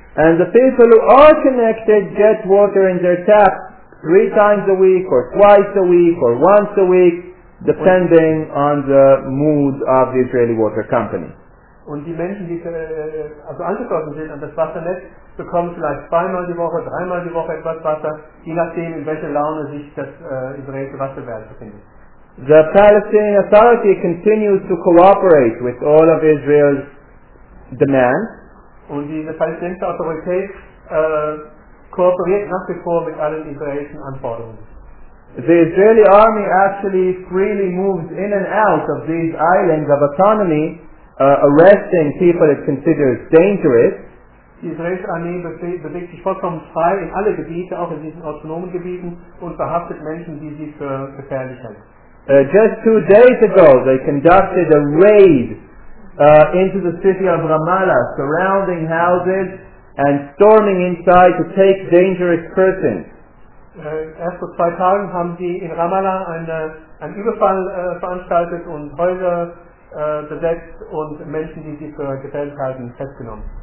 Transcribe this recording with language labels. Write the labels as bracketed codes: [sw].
[en] And the people who are connected get water in their tap three times a week or twice a week or once a week, depending on the mood of the Israeli water company. [de] Und die Menschen, die also angeschlossen sind an das Wassernetz, bekommen vielleicht zweimal die Woche, dreimal die Woche etwas Wasser, je nachdem, in welcher Laune sich das israelische Wasserwerk befindet. [en] The Palestinian Authority continues to cooperate with all of Israel's demands. [de] Und diese palästinensische Autorität kooperiert nach wie vor mit allen israelischen Anforderungen. [en] The Israeli army actually freely moves in and out of these islands of autonomy, arresting people it considers dangerous. [de] Die israelische Armee bewegt sich vollkommen frei in alle Gebiete, auch in diesen autonomen Gebieten, und verhaftet Menschen, die sie für gefährlich halten. [en] Just 2 days ago, they conducted a raid into the city of Ramallah, surrounding houses and storming inside to take dangerous persons. [de] Erst vor 2 Tagen haben sie in Ramallah einen Überfall veranstaltet und Häuser besetzt und Menschen, die sie für gefährlich halten, festgenommen.